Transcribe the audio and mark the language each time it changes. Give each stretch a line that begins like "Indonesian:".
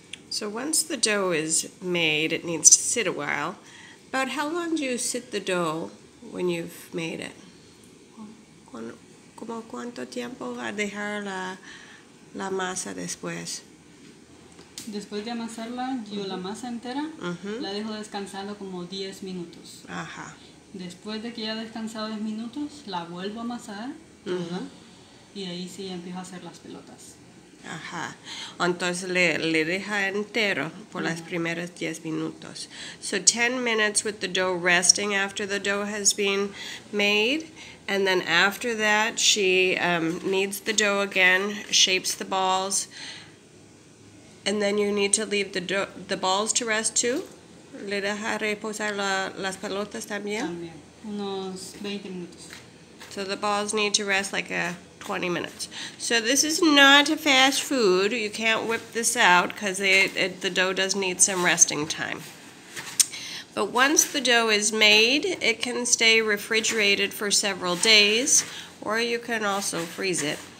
English: So once the dough is made, it needs to sit a while. About how long do you sit the dough when you've made it?
Spanish: ¿Como cuánto tiempo va a dejar la masa después? Después de amasarla, yo la masa entera, la dejo descansando como 10 minutos. Ajá. Después de que ya ha descansado 10 minutos, la vuelvo a amasar toda, y ahí sí empiezo a hacer las pelotas. Ajá. Entonces le deja entero por las primeras 10 minutos.
English: So 10 minutes with the dough resting after the dough has been made. And then after that, she kneads the dough again, shapes the balls. And then you need to leave the balls to rest too?
Spanish: Le deja reposar las pelotas también? También. Unos 20 minutos.
English: So the balls need to rest like a 20 minutes. So this is not a fast food. You can't whip this out because the dough does need some resting time. But once the dough is made, it can stay refrigerated for several days, or you can also freeze it.